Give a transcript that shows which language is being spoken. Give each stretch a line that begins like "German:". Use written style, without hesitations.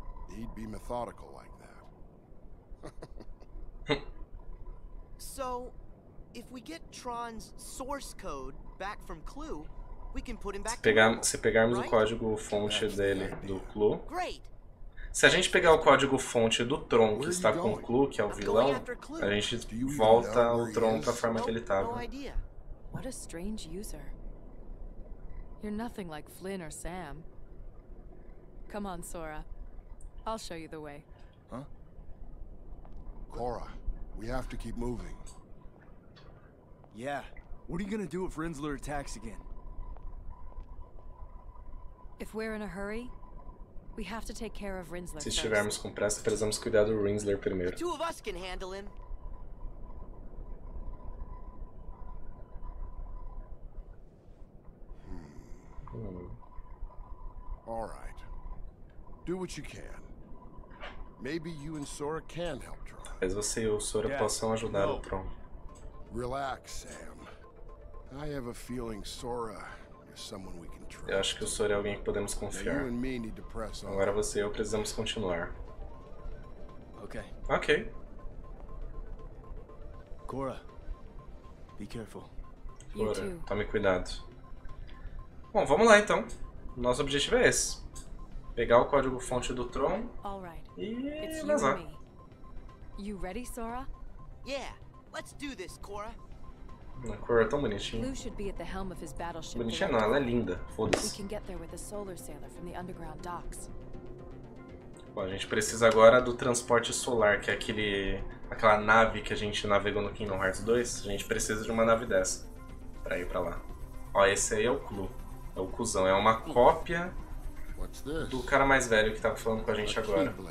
English: He'd be methodical like that. So, if we get Tron's source code back from Clue, we can put him back.
Portuguese: Se pegarmos o código fonte dele do Clue, Se a gente pegar o código-fonte do Tron, que está com o Clue, que é o vilão, a gente volta o Tron para a forma que ele estava.
English: What a strange user. You're nothing like Flynn or Sam. Come on, Sora. I'll show you the way. Huh? Cora, we have to keep moving. Yeah. What are you gonna do if Rinsler attacks again? If we're in a hurry, we have to take care of Rinsler.
Portuguese: Se estivermos com pressa, precisamos cuidar do Rinsler primeiro.
English: The two of us can handle him. All right. Do what you can. Maybe you and Sora can help Tron.
Portuguese: Mas você e o Sora possam ajudar o Tron.
English: Relax, Sam. I have a feeling Sora is someone we can trust.
Portuguese: Eu acho que o Sora é alguém que podemos confiar. Agora você e eu precisamos continuar.
English: Okay. Okay. Cora. Be careful.
Portuguese: Cora, tome cuidado. Bom, vamos lá então. Nosso objetivo é esse. Pegar o código-fonte do Tron e vazar.
English: You ready, Sora? Yeah, let's do this, Cora.
Portuguese: A Cora é tão bonitinha.
English: Blue should be at the helm of his battleship.
Portuguese: Bonitinha não, ela é linda. Foda-se.
English: We can get there with a solar sailor from the underground docks.
Portuguese: Bom, a gente precisa agora do transporte solar, que é aquele, aquela nave que a gente navegou no Kingdom Hearts 2. A gente precisa de uma nave dessa pra ir pra lá. Ó, esse aí é o Clue. É o cuzão, é uma cópia do cara mais velho que tava falando com a gente agora.